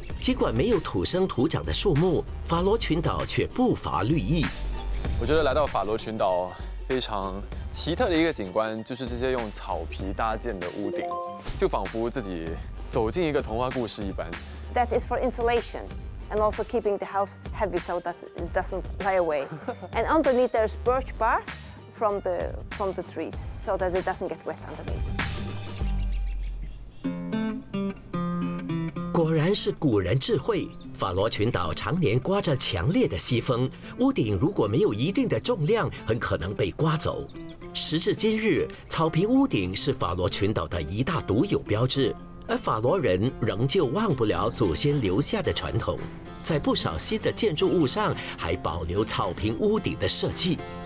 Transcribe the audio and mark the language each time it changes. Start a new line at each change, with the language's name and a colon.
Chinese: 尽管没有土生土长的树木，法罗群岛却不乏绿意。我觉得来到法罗群岛非常奇特的一个景观，就是这些用草皮搭建的屋顶，就仿佛自己走进一个童话故事一般。
English: That is for insulation. And also keeping the house heavy so that it doesn't fly away. And underneath there's birch bark from the trees so that it doesn't get wet underneath.
Chinese: 果然是古人智慧。法罗群岛常年刮着强烈的西风，屋顶如果没有一定的重量，很可能被刮走。时至今日，草皮屋顶是法罗群岛的一大独有标志。而法罗人仍旧忘不了祖先留下的传统，在不少新的建筑物上还保留草坪屋顶的设计。